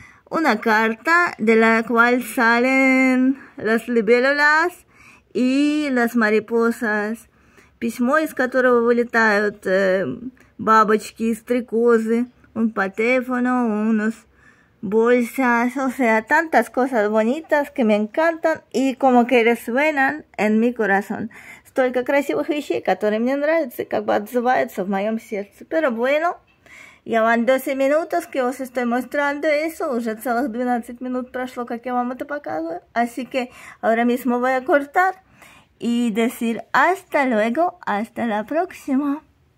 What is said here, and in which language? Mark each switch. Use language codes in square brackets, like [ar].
[es] Una carta de la cual salen las libélulas y las mariposas. [ru] Письмо, из которого вылетают бабочки и стрекозы. [es] Un patéfono, unos bolsas. O sea, tantas cosas bonitas que me encantan y como que resuenan en mi corazón. [ru] Столько красивых вещей, которые мне нравятся и как бы отзываются в моем сердце. [es] Pero bueno, ya van 12 minutos que os estoy mostrando eso. [ru] Уже целых 12 минут прошло, как я вам это показываю. [es] Así que ahora mismo voy a cortar. Y decir hasta luego, hasta la próxima.